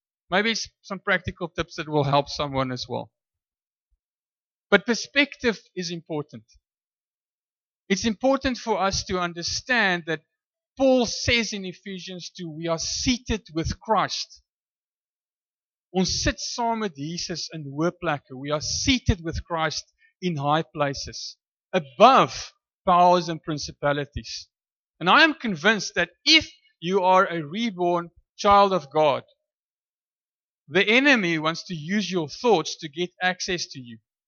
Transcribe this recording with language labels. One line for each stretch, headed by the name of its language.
English: Maybe it's some practical tips that will help someone as well. But perspective is important. It's important for us to understand that Paul says in Ephesians 2, we are seated with Christ.
Afrikaans: Ons sit saam met Jesus in hoë plekke.
English: We are seated with Christ in high places, above powers and principalities. And I am convinced that if you are a reborn child of God, the enemy wants to use your thoughts to get access to you.